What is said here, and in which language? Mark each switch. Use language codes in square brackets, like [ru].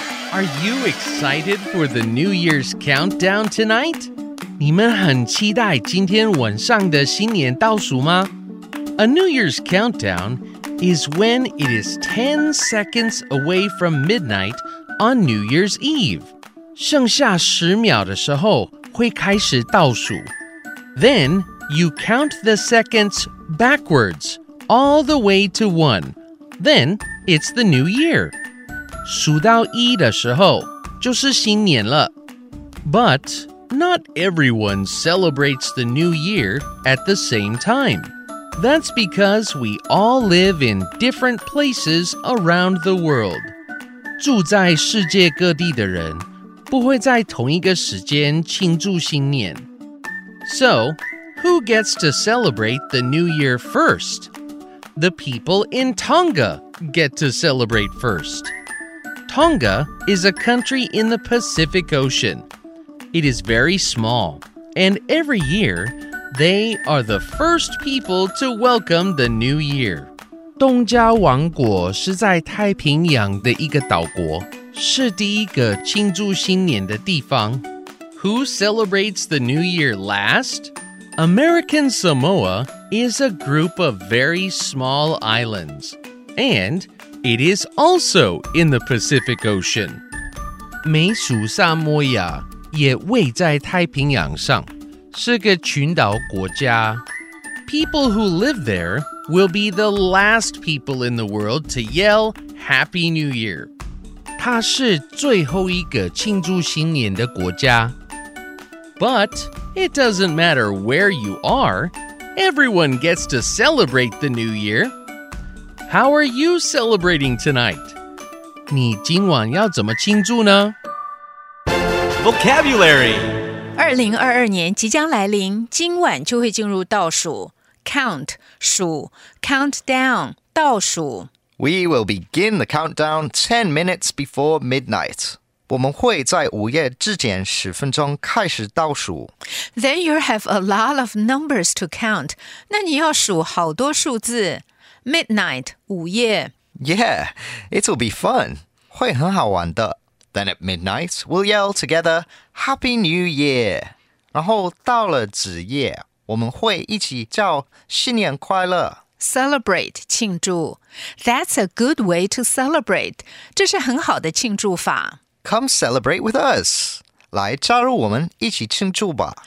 [en] Are you excited for the New Year's countdown tonight? [zh] 你们很期待今天晚上的新年倒数吗? [en] A New Year's countdown is when it is 10 seconds away from midnight on New Year's Eve. [zh] 剩下十秒的时候会开始倒数。 [en] Then you count the seconds backwards, all the way to 1. Then it's the New Year. [zh] 数到一的时候就是新年了。 [en] But not everyone celebrates the New Year at the same time. That's because we all live in different places around the world. [zh] 住在世界各地的人不会在同一个时间庆祝新年。 [en] So, who gets to celebrate the New Year first? The people in Tonga get to celebrate first. Tonga is a country in the Pacific Ocean. It is very small, and every year, they are the first people to welcome the New Year. [zh] 东加王国是在太平洋的一个岛国，是第一个庆祝新年的地方。 [en] Who celebrates the New Year last? American Samoa is a group of very small islands, and... It is also in the Pacific Ocean. [zh] 美属萨摩亚也位在太平洋上，是个群岛国家。 [en] People who live there will be the last people in the world to yell Happy New Year. [zh] 它是最后一个庆祝新年的国家。 [en] But it doesn't matter where you are, everyone gets to celebrate the New Year. How are you celebrating tonight? [zh] 你今晚要怎么庆祝呢? [en] Vocabulary [zh] 2022年即将来临，今晚就会进入倒数。 [en] Count, [zh] 数 [en] Countdown, [zh] 倒数 [en] We will begin the countdown 10 minutes before midnight. [zh] 我们会在午夜之前10分钟开始倒数。 [en] Then you have a lot of numbers to count. [zh] 那你要数好多数字。 [en] Midnight, [zh] 午夜。 [en] Yeah, it will be fun. [zh] 会很好玩的。 [en] Then at midnight, we'll yell together, Happy New Year. [zh] 然后到了子夜,我们会一起叫新年快乐。 [en] Celebrate, [zh] 庆祝。 [en] That's a good way to celebrate. [zh] 这是很好的庆祝法。 [en] Come celebrate with us. [zh] 来加入我们一起庆祝吧。